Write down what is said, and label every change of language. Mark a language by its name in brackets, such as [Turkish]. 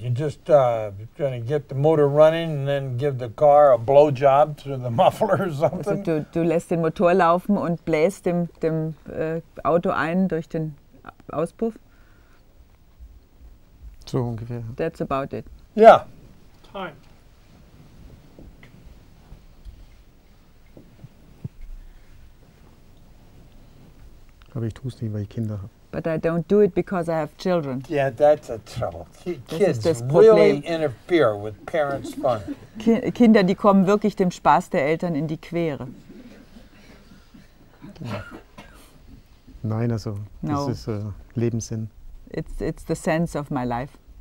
[English] You're just going to get the motor running and then give the car a blowjob through the muffler or something? [German] Also du lässt den Motor laufen und bläst dem Auto ein durch den Auspuff? So ungefähr. [English] That's about it. Yeah. Time. [German] Aber ich tue es nicht, weil ich Kinder habe. [English] But I don't do it because I have children. Yeah, that's a trouble. Kids really interfere with parents' fun. [German] Kinder, die kommen wirklich dem Spaß der Eltern in die Quere. Nein, also, das ist Lebenssinn. [English] It's the sense of my life.